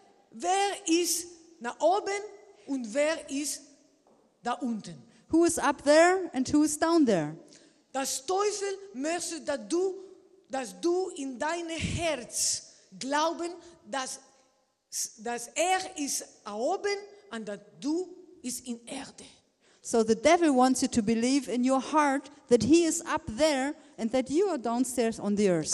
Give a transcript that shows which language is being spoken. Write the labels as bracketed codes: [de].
[de] Wer ist nach oben und wer ist da unten? [en] Who is up there and who is down there? [de] Das Teufel möchte, dass du in deinem Herz glauben, dass er ist oben und dass du ist in Erde. [en] So the devil wants you to believe in your heart that he is up there and that you are downstairs on the earth.